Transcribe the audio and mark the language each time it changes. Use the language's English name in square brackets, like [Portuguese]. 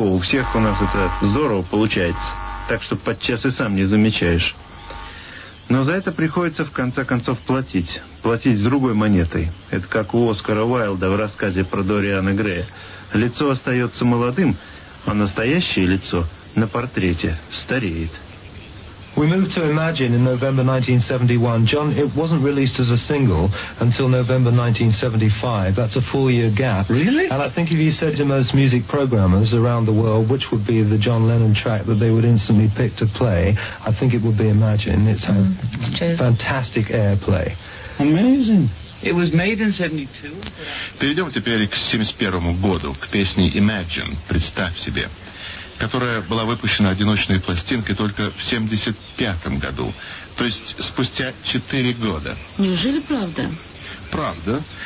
[Russian] У всех у нас это здорово получается. Так что подчас и сам не замечаешь. Но за это приходится, в конце концов, платить. Платить с другой монетой. Это как у Оскара Уайлда в рассказе про Дориана Грея. Лицо остается молодым, а настоящее лицо на портрете стареет. [English] We moved to Imagine in November 1971. John, it wasn't released as a single until November 1975. That's a four-year gap. Really? And I think if you said to most music programmers around the world which would be the John Lennon track that they would instantly pick to play, I think it would be Imagine. It's had fantastic airplay. Amazing. It was made in 72. [Russian] Перейдем теперь к 71-му году, к песне Imagine. Представь себе. Которая была выпущена одиночной пластинкой только в 75-м году. То есть спустя 4 года. Неужели правда? Правда.